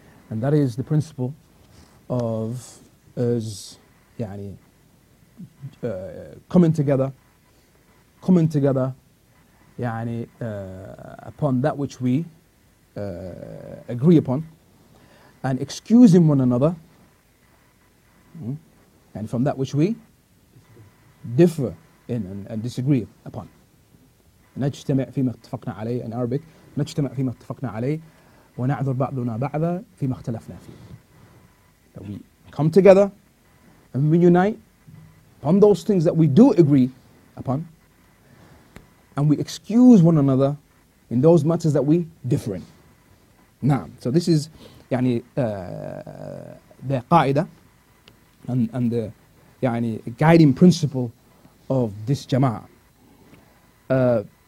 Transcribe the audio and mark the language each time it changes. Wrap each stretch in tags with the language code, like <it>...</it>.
<en>And that is the principle of us coming together upon that which we agree upon, and excusing one another and from that which we differ in and disagree upon.</en> <ar>نجتمع فيما اتفقنا عليه,</ar> <en>in Arabic,</en> <ar>نجتمع فيما اتفقنا عليه ونعذر بعضنا بعضا فيما اختلفنا فيه.</ar> <en>That we come together and we unite upon those things that we do agree upon, and we excuse one another in those matters that we differ in. Now, so this is the qaida and the guiding principle of this jama'ah.</en>